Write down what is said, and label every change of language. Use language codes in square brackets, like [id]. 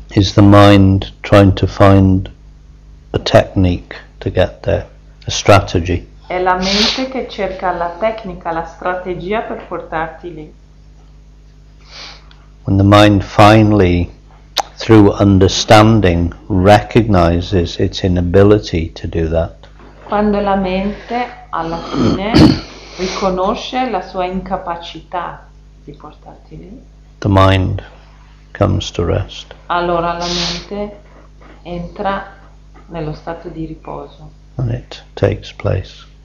[en] Is the mind trying to find a technique to get there, a strategy? [it] È la mente che cerca la tecnica, la strategia per portarti lì. [en] When the mind finally, through understanding, recognizes its inability to do that. [it] Quando la mente alla fine riconosce la sua incapacità di portarti lì. [en] The mind comes to rest. [it] Allora la mente entra nello stato di riposo. [en] And it takes place.